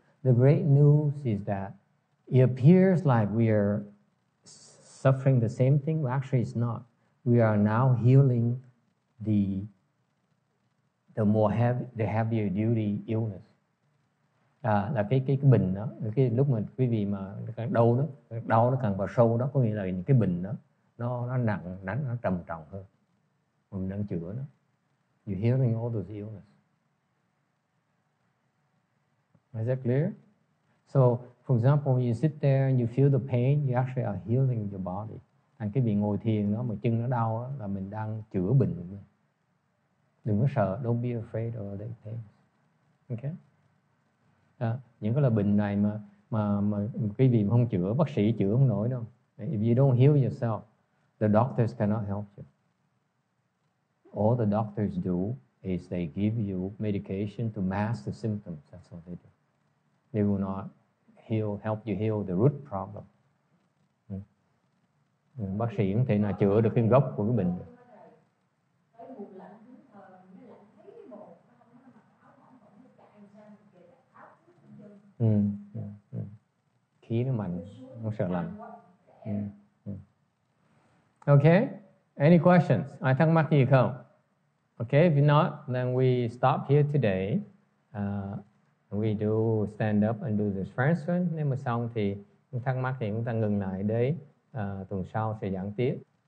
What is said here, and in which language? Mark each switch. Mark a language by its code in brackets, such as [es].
[en] The great news is that it appears like we are suffering the same thing. Well, actually, it's not. We are now healing the heavier duty illness. [vi] À, là cái bình đó, cái lúc mà quý vị mà càng đau đó, đau nó càng vào sâu đó, có nghĩa là những cái bình đó nó nặng, nó trầm trọng hơn. Mình đang chữa nó. [en] You're healing all those illness. Is that clear? So, for example, when you sit there and you feel the pain, you actually are healing your body. [vi] Thành cái vị ngồi thiền đó mà chân nó đau đó, là mình đang chữa bệnh của mình. Đừng có sợ, [en] don't be afraid of the pain. Okay? [vi] À, những cái là bệnh này mà quý vị không chữa, bác sĩ chữa không nổi đâu. [en] If you don't heal yourself, the doctors cannot help you. All the doctors do is they give you medication to mask the symptoms. That's what they do. They will not help you heal the root problem. [vi] Bác sĩ không thể nào chữa được cái gốc của cái bệnh được. Khí nó mạnh, không sợ lạnh. [en] Okay, any questions? [vi] Ai thắc mắc gì không? [en] Okay, if not, then we stop here today. We do stand up and do this first one. [vi] Nếu mà xong thì thắc mắc thì chúng ta ngừng lại đấy. Tuần sau sẽ giảng tiếp.